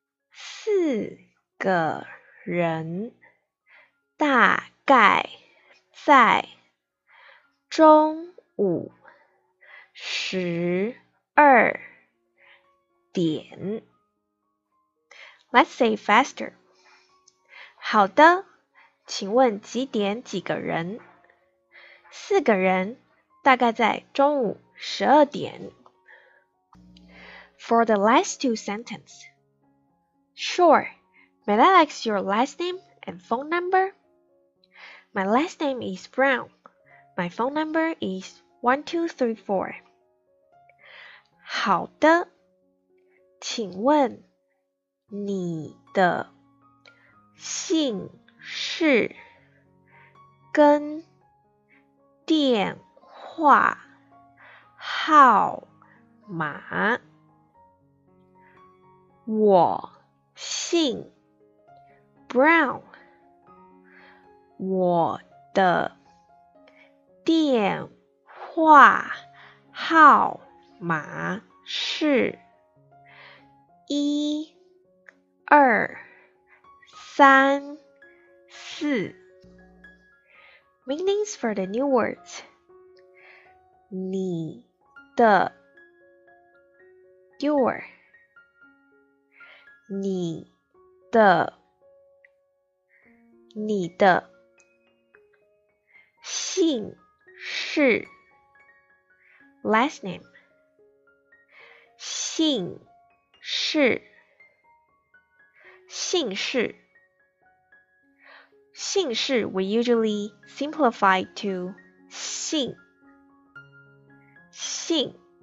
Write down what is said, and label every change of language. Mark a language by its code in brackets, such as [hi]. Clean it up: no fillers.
[zh] 四个人大概在中午十二点 [en] Let's say faster. [zh] 好的，请问几点几个人？四个人，大概在中午十二点。 [en] For the last two sentences. Sure, may I ask your last name and phone number? My last name is Brown. My phone number is 1234. [zh] 好的，请问你的姓氏跟电话号码。我姓 Brown， 我的电话号码是一二三四。 [en] Meanings for the new words. [zh] 你的 your 你的你的姓氏 [en] last name [zh] 姓氏姓氏姓氏 [en] we usually simplify to [zh] 姓姓